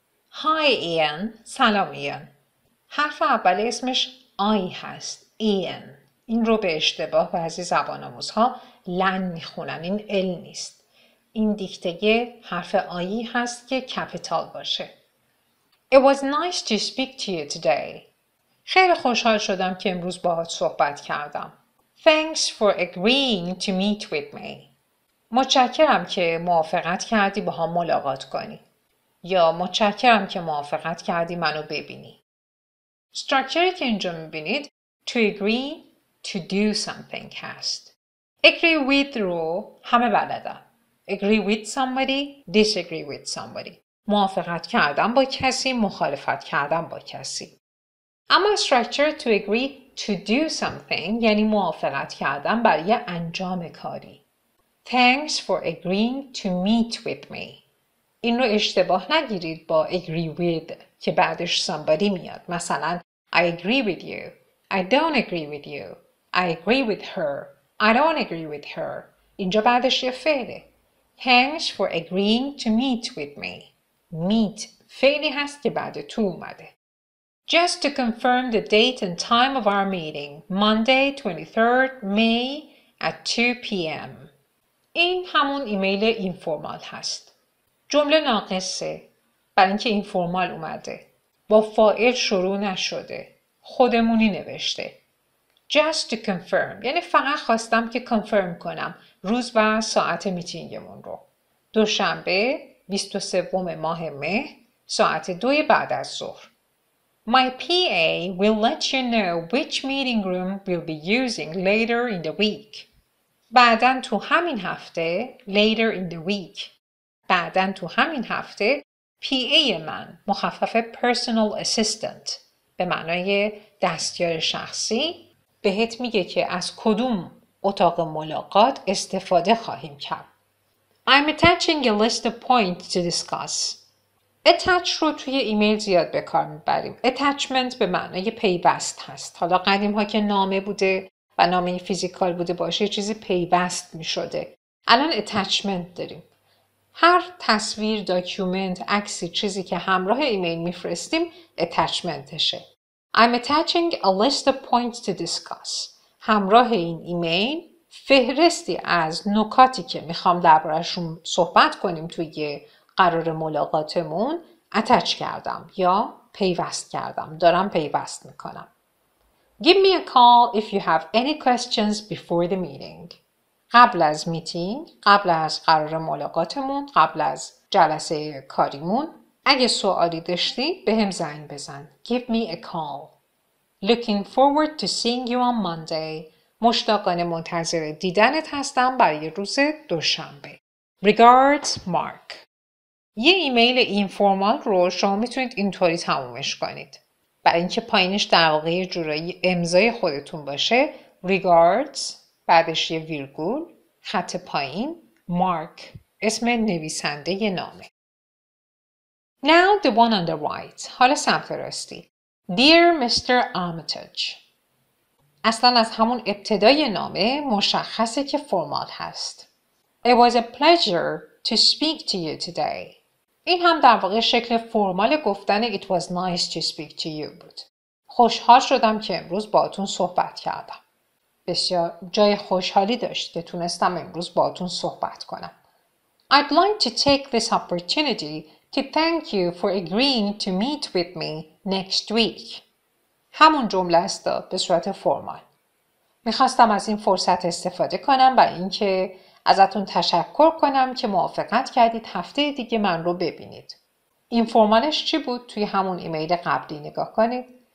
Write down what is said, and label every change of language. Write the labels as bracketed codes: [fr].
[en] Hi Ian. [fa] سلام Ian. حرف اول اسمش I هست. Ian. این رو به اشتباه بعضی زبان آموزها لن میخونن. این L نیست. این دیکته حرف آیی هست که کپیتال باشه. [en] It was nice to speak to you today. [fa] خیلی خوشحال شدم که امروز باهات صحبت کردم. [en] Thanks for agreeing to meet with me. [fa] متشکرم که موافقت کردی با هم ملاقات کنی. یا متشکرم که موافقت کردی منو ببینی. Structure که اینجا میبینید [en] to agree to do something [fa] هست. [en] Agree with [fa] رو همه بلدن. [en] Agree with somebody, disagree with somebody. [fa] موافقت کردن با کسی، مخالفت کردن با کسی. اما structure [en] to agree to do something [fa] یعنی موافقت کردن برای انجام کاری. [en] Thanks for agreeing to meet with me. [fa] این رو اشتباه نگیرید با agree with که بعدش somebody میاد. [en] مثلا I agree with you. I don't agree with you. I agree with her. I don't agree with her. [fa] اینجا بعدش یه فعله. [en] Thanks for agreeing to meet with me. [fa] Meet فعلی هست که بعد تو اومده. [en] Just to confirm the date and time of our meeting, Monday 23rd May at 2 p.m. [fa] این همون ایمیل اینفورمال هست. جمله ناقصه برای اینکه اینفورمال اومده. با فاعل شروع نشده. خودمونی نوشته. [en] Just to confirm [fa] یعنی فقط خواستم که کانفرم کنم روز و ساعت میتینگمون رو. دوشنبه 23 ماه مه ساعت 2 بعد از ظهر. [en] My PA will let you know which meeting room we'll be using later in the week. [fa] بعدن تو همین هفته [en] later in the week. [fa] بعدن تو همین هفته PA من مخفف personal assistant به معنای دستیار شخصی بهت میگه که از کدوم اتاق ملاقات استفاده خواهیم کرد. [en] I'm attaching a list of points to discuss. [fa] Attach رو توی ایمیل زیاد به کار میبریم. Attachment به معنای پیوست هست. حالا قدیم ها که نامه بوده و نامه فیزیکال بوده باشه چیزی پیوست میشده. الان attachment داریم. هر تصویر، داکیومنت، عکسی، چیزی که همراه ایمیل میفرستیم attachmentشه. [en] I'm attaching a list of points to discuss. [fa] همراه این ایمیل فهرستی از نکاتی که میخوام دربارشون صحبت کنیم توی قرار ملاقاتمون attach کردم یا پیوست کردم. دارم پیوست میکنم. [en] Give me a call if you have any questions before the meeting. [fa] قبل از میتینگ، قبل از قرار ملاقاتمون، قبل از جلسه کاریمون اگه سوالی داشتی به هم زنگ بزن. [en] Give me a call. Looking forward to seeing you on Monday. [fa] مشتاقانه منتظر دیدنت هستم برای روز دوشنبه. [en] Regards, Mark. [fa] یه ایمیل اینفورمال رو شما میتونید اینطوری تمومش کنید. برای اینکه پایینش در واقع یه جورایی امضای خودتون باشه. Regards, بعدش یه ویرگول، خط پایین، Mark, اسم نویسنده ی نامه. [en] Now the one on the right. [fa] حالا سمت راستی. [en] Dear Mr. [fa] Armitage. اصلا از همون ابتدای نامه مشخصه که فرمال هست. [en] It was a pleasure to speak to you today. [fa] این هم در واقع شکل فرمال گفتن [en] It was nice to speak to you [fa] بود. خوشحال شدم که امروز باهاتون صحبت کردم. بسیار جای خوشحالی داشت که تونستم امروز باهاتون صحبت کنم. [en] I'd like to take this opportunity to thank you for agreeing to meet with me next week. [fa] همون جمله است به صورت فرمال. میخواستم از این فرصت استفاده کنم برای اینکه ازتون تشکر کنم که موافقت کردید هفته دیگه من رو ببینید. این فرمالش چی بود؟ توی همون ایمیل قبلی نگاه کنید.